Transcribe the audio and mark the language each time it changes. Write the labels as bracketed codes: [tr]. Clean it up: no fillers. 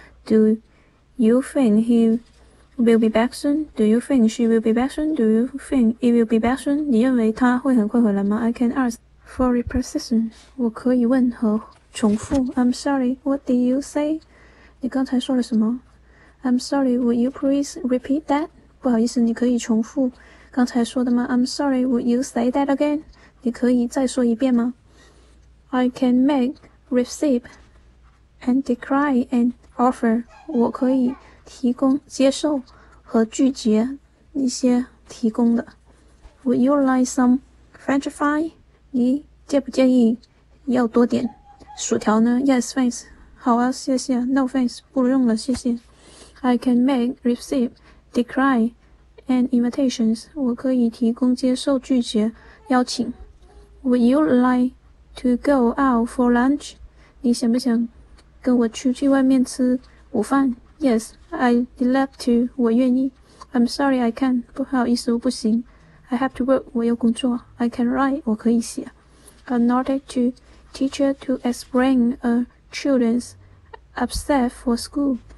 [en] Do you think he will be back soon? Do you think she will be back soon? Do you think it will be back soon? [zh] 你认为他会很快回来吗？ [en] I can ask for repetition. [zh] 我可以问和重复。 [en] I'm sorry, what did you say? [zh] 你刚才说了什么？ [en] I'm sorry, would you please repeat that? [zh] 不好意思，你可以重复刚才说的吗？ [en] I'm sorry, would you say that again? [zh] 你可以再说一遍吗？ [en] I can make receive and decline an offer. [zh] 我可以提供接受和拒绝一些提供的。 [en] Would you like some french fry? [zh] 你介不介意要多点薯条呢？ [en] Yes, thanks. [zh] 好啊，谢谢。 [en] No, thanks. [zh] 不用了，谢谢。 [en] I can make, receive, decline, and invitations. [zh] 我可以提供接受拒绝邀请。 [en] Would you like to go out for lunch. [zh] 你想不想跟我出去外面吃午饭？ [en] Yes, I'd love to. [zh] 我愿意。 [en] I'm sorry, I can't. [zh] 不好意思，我不行。 [en] I have to work. [zh] 我有工作。 [en] I can write. [zh] 我可以写。 [en] In order to teach her to explain a children's upset for school.